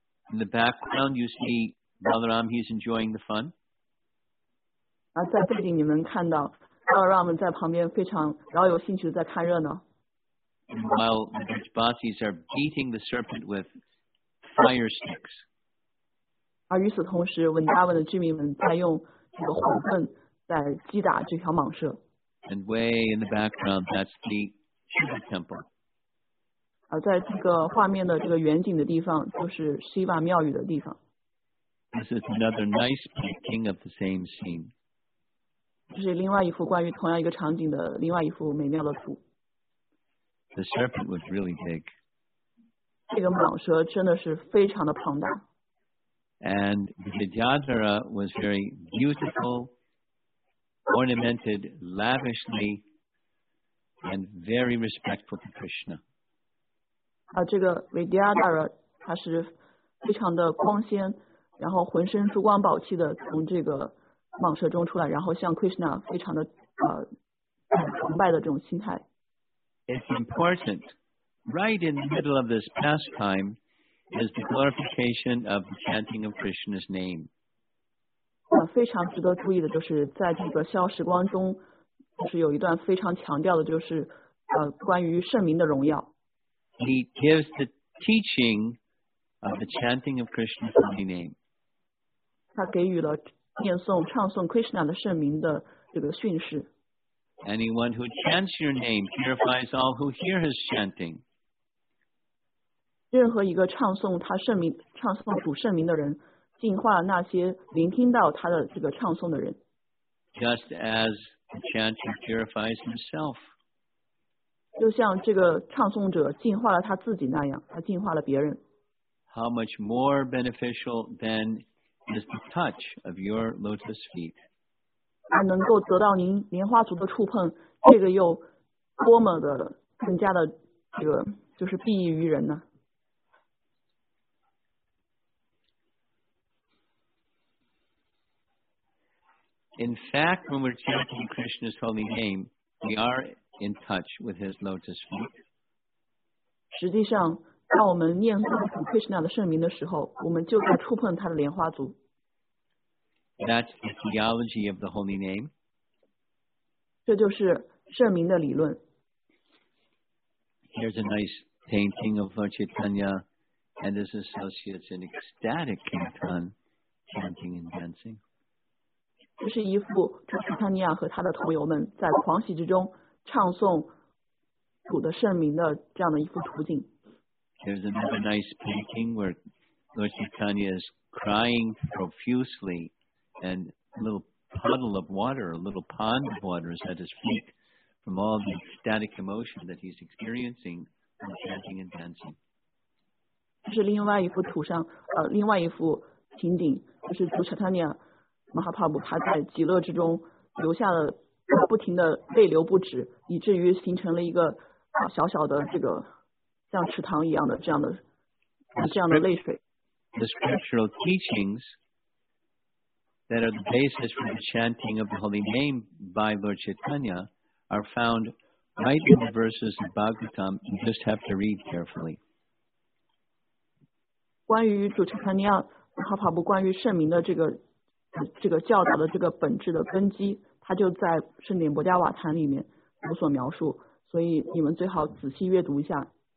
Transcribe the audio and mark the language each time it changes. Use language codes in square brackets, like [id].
[en] In the background, you see Balaram. He's enjoying the fun. [zh] 在背景你们看到 Balaram 在旁边非常饶有兴趣的在看热闹。 [en] While the Vrijbasis are beating the serpent with fire sticks. [zh] 而与此同时，文达文的居民们在用这个火棍在击打这条蟒蛇。 [en] And way in the background, that's the Shiva temple. [zh] 在这个画面的这个远景的地方，就是西瓦庙宇的地方。 [en] This is another nice painting of the same scene. [zh] 这是另外一幅关于同样一个场景的另外一幅美妙的图。 [en] The serpent was really big. [zh] 这个蟒蛇真的是非常的庞大。 [en] And Vidyadhara was very beautiful, ornamented lavishly, and very respectful to Krishna. [zh] 这个 Vidyadhara 他是非常的光鲜，然后浑身珠光宝气的从这个蟒蛇中出来，然后向 Krishna 非常的崇拜的这种心态。 [en] It's important. Right in the middle of this pastime is the glorification of the chanting of Krishna's name. [zh] 非常值得注意的就是在这个消时光中，就是有一段非常强调的就是关于圣名的荣耀。 [en] He gives the teaching of the chanting of Krishna's holy name. [zh] 他给予了念诵、唱诵 Krishna 的圣名的这个训示。 [en] Anyone who chants your name purifies all who hear his chanting. [zh] 任何一个唱诵他圣名、唱诵主圣名的人，净化了那些聆听到他的这个唱诵的人。 [en] Just as the chanter purifies himself. [zh] 就像这个唱诵者净化了他自己那样，他净化了别人。 [en] How much more beneficial than is the touch of your lotus feet? [zh] 他能够得到您莲花足的触碰，这个又多么的更加的这个就是裨益于人呢？ [en] In fact, when we're chanting Krishna's holy name, we are in touch with his lotus feet. [zh] 实际上，当我们念诵主 Krishna 的圣名的时候，我们就在触碰他的莲花足。 [en] That's the theology of the holy name. [zh] 这就是圣名的理论。 [en] Here's a nice painting of Lord Chaitanya and his associates in ecstatic kirtan, chanting and dancing. [zh] 这是一幅查斯坦尼亚和他的徒友们在狂喜之中唱诵主的圣名的这样的一幅图景。 [en] There's another nice painting where Lord Chaitanya is crying profusely, and a little puddle of water, a little pond of water, is at his feet from all the ecstatic emotion that he's experiencing from chanting and dancing. [zh] 这是另外一幅图上，另外一幅情景，就是主查斯坦尼亚。马哈帕布他在极乐之中留下了不停的泪流不止，以至于形成了一个小小的这个像池塘一样的这样的泪水。 [en] The scriptural teachings that are the basis for the chanting of the holy name by Lord Chaitanya are found right in the verses of Bhagavatam. You just have to read carefully. [zh] 关于主查斯坦尼亚马哈帕布关于圣名的这个教导的这个本质的根基，它就在《圣典薄伽瓦坛》里面有所描述，所以你们最好仔细阅读一下。